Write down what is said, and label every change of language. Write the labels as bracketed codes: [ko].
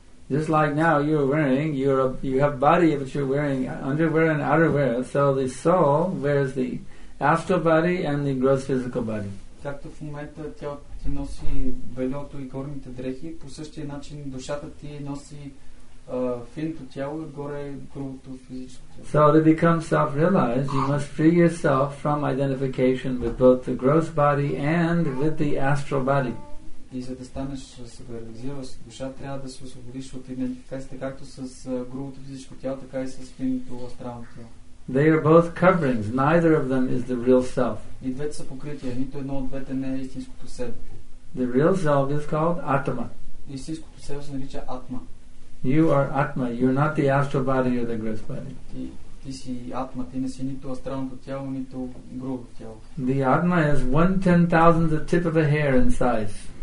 [en] Just like now you have body, but you're wearing underwear and outerwear. So the soul wears the astral body and the gross physical body. [bg] Както в момента тялото ти носи белото и горните дрехи, по същия начин душата ти носи финто тяло и горе грубото физическо тяло. [en] So to become self-realized, you must free yourself from identification with both the gross body and with the astral body. [bg] И за да станеш self-realized, душа трябва да се освободиш от идентификацията както с грубото физическо тяло, така и с финто астрално тяло. [en] They are both coverings. Neither of them is the real self. [bg] И двете са покрития. Нито едно от двете не е истинското себе. [en] The real self is called Atma. [bg] Истинското себе се нарича Атма. [en] You are Atma. You're not the astral body or the gross body. [bg] Ти си Атма. Ти не си нито астралното тяло, нито грубо тяло. [en] The Atma is 1/10,000 the tip of a hair in size.